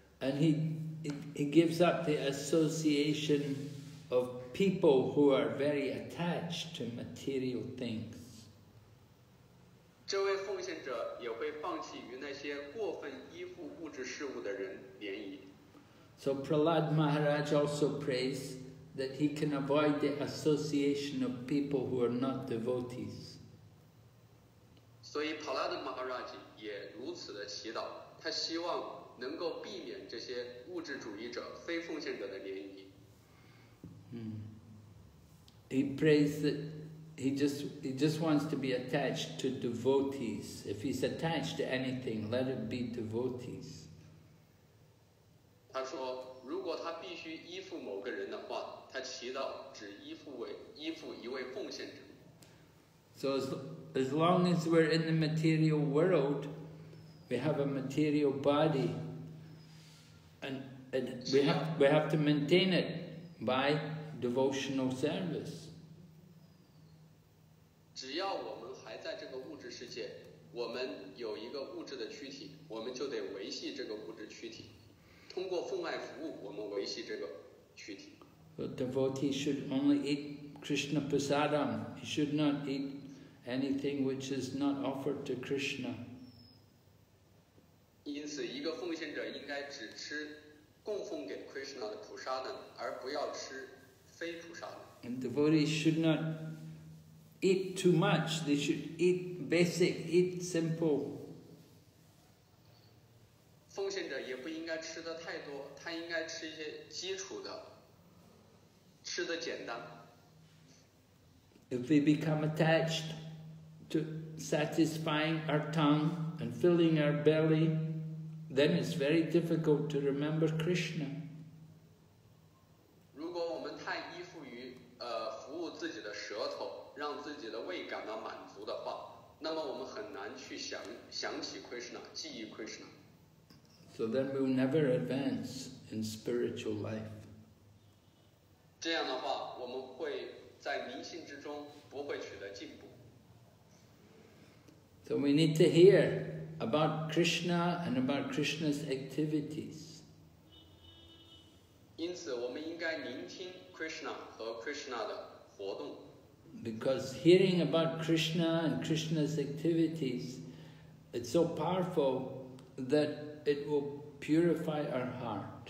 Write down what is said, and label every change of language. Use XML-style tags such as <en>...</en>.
<en>And he gives up the association of people who are very attached to material things.</en> <zh>这位奉献者也会放弃与那些过分依附物质事物的人联谊。</zh> <en>So Prahlad Maharaj also prays that he can avoid the association of people who are not devotees.</en> <zh>所以Prahlad Maharaj也如此的祈祷，他希望能够避免这些物质主义者、非奉献者的联谊。</zh> <en>He prays that he just wants to be attached to devotees. If he's attached to anything, let it be devotees.</en> <zh>他说，如果他必须依附某个人的话，他祈祷只依附一位奉献者。</zh> <en>So as long as we're in the material world, we have a material body, and we have to maintain it by devotional service.</en> <zh>只要我们还在这个物质世界，我们有一个物质的躯体，我们就得维系这个物质躯体。通过奉爱服务，我们维系这个躯体。</zh> <en>A devotee should only eat Krishna prasadam. He should not eat anything which is not offered to Krishna.</en> <zh>因此，一个奉献者应该只吃供奉给 Krishna 的 prasadam， 而不要吃非 prasadam.</zh> <en>And devotees should not eat too much. They should eat basic, eat simple.</en> <zh>奉献者也不应该吃的太多，他应该吃一些基础的，吃的简单。</zh> <en>If we become attached to satisfying our tongue and filling our belly, then it's very difficult to remember Krishna.</en> <zh>如果我们太依附于服务自己的舌头，让自己的胃感到满足的话，那么我们很难去想起 Krishna， 记忆 Krishna。</zh> <en>So then we'll never advance in spiritual life.</en> <zh>这样的话，我们会在灵性之中不会取得进步。</zh> <en>So we need to hear about Krishna and about Krishna's activities.</en> <zh>因此，我们应该聆听 Krishna 和 Krishna 的活动。</zh> <en>Because hearing about Krishna and Krishna's activities, it's so powerful that it will purify our heart.</en>